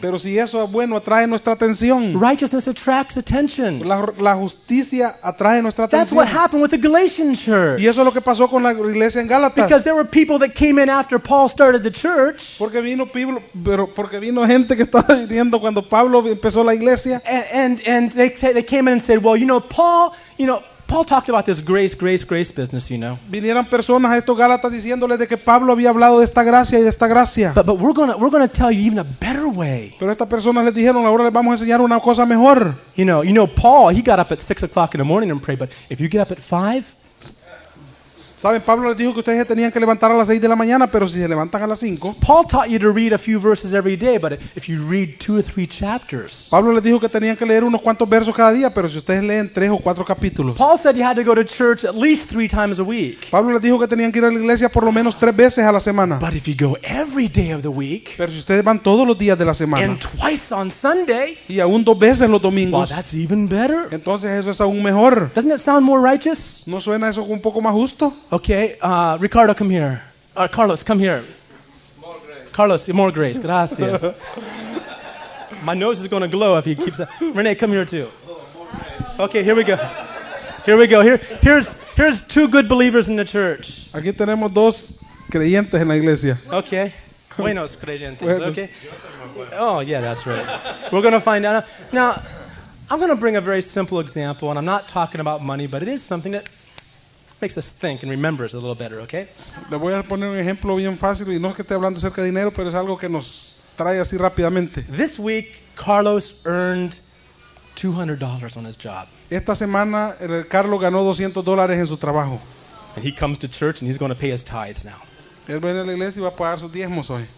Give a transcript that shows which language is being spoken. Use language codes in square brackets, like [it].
[es] Pero si eso es bueno, atrae nuestra atención. [en] Righteousness attracts attention. [es] La justicia atrae nuestra atención. [en] That's what happened with the Galatian church. [es] Y eso es lo que pasó con la iglesia en Gálatas. [en] Because there were people that came in after Paul started the church. [es] Porque vino gente que estaba viniendo cuando Pablo empezó la iglesia. [en] And they came in and said, well, Paul talked about this grace business, you know. [es] Vinieron personas a estos Gálatas diciéndoles de que Pablo había hablado de esta gracia y de esta gracia. [en] But we're gonna tell you even a better way. [es] Pero estas personas les dijeron, ahora les vamos a enseñar una cosa mejor. [en] You know, Paul, he got up at 6:00 in the morning and prayed. But if you get up at 5, [es] saben, Pablo les dijo que ustedes tenían que levantar a las 6 de la mañana, pero si se levantan a las 5. [en] Paul taught you to read a few verses every day, but if you read 2 or 3 chapters. [es] Pablo les dijo que tenían que leer unos cuantos versos cada día, pero si ustedes leen 3 o 4 capítulos. [en] Paul said you had to go to church at least 3 times a week. [es] Pablo les dijo que tenían que ir a la iglesia por lo menos 3 veces a la semana. [en] But if you go every day of the week. [es] Pero si ustedes van todos los días de la semana. [en] And twice on Sunday. [es] Y aún 2 veces los domingos. [en] Well, that's even better. [es] Entonces eso es aún mejor. [en] Doesn't it sound more righteous? [es] ¿No suena eso un poco más justo? [en] Okay, Ricardo, come here. Carlos, come here. More grace. Carlos, more grace. Gracias. My nose is going to glow if he keeps that. Renee, come here too. Oh, more grace. Okay, here we go. Here we go. Here's 2 good believers in the church. [es] Aquí tenemos 2 creyentes en la iglesia. [en] Okay. [es] Buenos creyentes. [en] Okay. Oh, yeah, that's right. We're going to find out. Now, I'm going to bring a very simple example, and I'm not talking about money, but it is something that makes us think and remember us a little better, okay? [es] Le voy a poner un ejemplo bien fácil y no es que esté hablando acerca de dinero, pero es algo que nos trae así rápidamente. [en] This week, Carlos earned $200 on his job. [es] Esta semana, Carlos ganó $200 en su trabajo. [en] And he comes to church and he's going to pay his tithes now. [es] Él viene a la iglesia y va a pagar sus diezmos hoy.